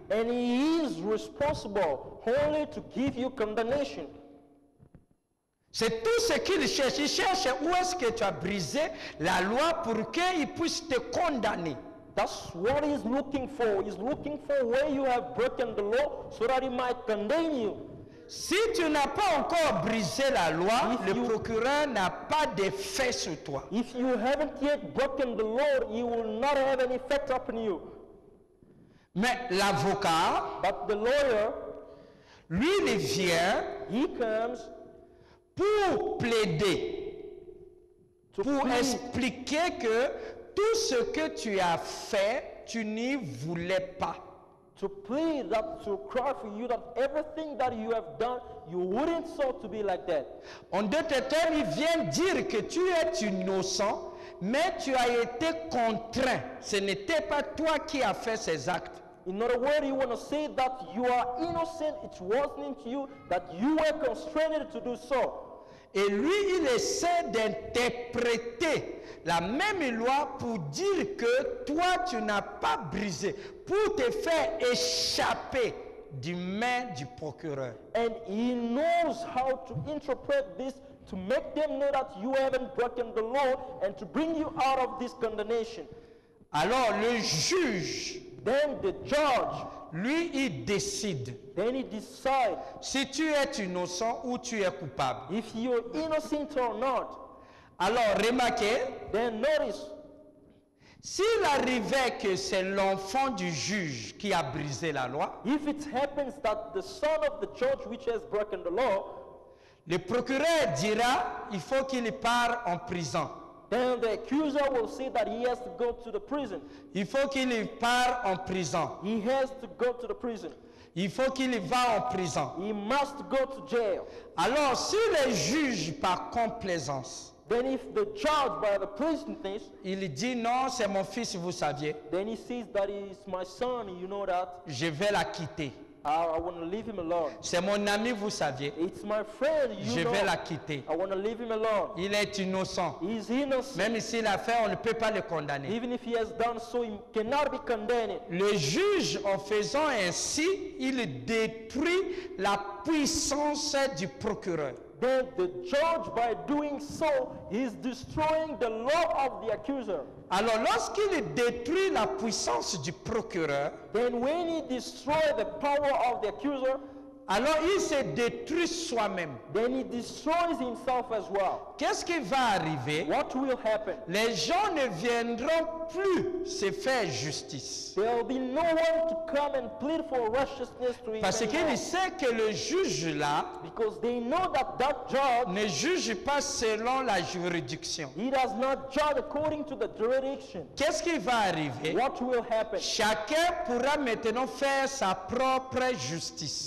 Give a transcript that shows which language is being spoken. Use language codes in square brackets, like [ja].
[en] And he is responsible only to give you condemnation. [fr] C'est tout ce qu'il cherche. Il cherche où est-ce que tu as brisé la loi pour qu'il puisse te condamner. [en] That's what he's looking for. He's looking for where you have broken the law so that he might condemn you. [fr] Si tu n'as pas encore brisé la loi, le procureur n'a pas d'effet sur toi. [en] If you haven't yet broken the law, he will not have any effect upon you. [fr] Mais l'avocat, [en] but the lawyer, [fr] lui, il vient, [en] he comes [fr] pour plaider, pour expliquer que tout ce que tu as fait, tu n'y voulais pas. [en] To plead, that, to cry for you that everything that you have done, you wouldn't sought to be like that. [fr] En d'autres termes, il vient dire que tu es innocent, mais tu as été contraint. Ce n'était pas toi qui as fait ces actes. [en] In other words, you want to say that you are innocent, it wasn't you, that you were constrained to do so. [fr] Et lui, il essaie d'interpréter la même loi pour dire que toi, tu n'as pas brisé, pour te faire échapper du main du procureur. [en] And he knows how to interpret this to make them know that you haven't broken the law and to bring you out of this condemnation. [fr] Alors, le juge, [en] then the judge, [fr] lui, il décide. [en] Then he decides. [fr] Si tu es innocent ou tu es coupable. [en] If you're innocent or not. [fr] Alors, remarquez. [en] Then notice. [fr] S'il arrivait que c'est l'enfant du juge qui a brisé la loi. [en] If it happens that the son of the judge which has broken the law. [fr] Le procureur dira, il faut qu'il parte en prison. [en] Then the accuser will say that he has to go to the prison. [fr] Il faut qu'il parte en prison. [en] He has to go to the prison. [fr] Il faut qu'il va en prison. [en] He must go to jail. [fr] Alors, si le juge par complaisance, [en] then if the judge by the prison thinks, [fr] il dit non, c'est mon fils, vous saviez. [en] Then he says that is my son, you know that. [fr] Je vais la quitter. [en] I want to leave him alone. [fr] C'est mon ami, vous saviez. [en] It's my friend, you [fr] je [en] know. [fr] Vais la quitter. [en] I want to leave him alone. [fr] Il est innocent. [en] He's innocent. [fr] Même s'il a fait, on ne peut pas le condamner. [en] Even if he has done so, he cannot be condemned. [fr] Le juge, en faisant ainsi, il détruit la puissance du procureur. [en] Then the judge, by doing so, is destroying the law of the accuser. [fr] Alors, lorsqu'il détruit la puissance du procureur, [en] then when he destroys the power of the accuser, [fr] Alors il se détruit soi-même. [en] Then he destroys himself as well. [fr] Qu'est-ce qui va arriver? [en] What will happen? [fr] Les gens ne viendront plus se faire justice. [en] There will be no one to come and plead for righteousness to him. [fr] Parce qu'il sait que le juge là, [en] because they know that that judge [fr] ne juge pas selon la juridiction. [en] He does not judge according to the jurisdiction. [fr] Qu'est-ce qui va arriver? [en] What will happen? [fr] Chacun pourra maintenant faire sa propre justice.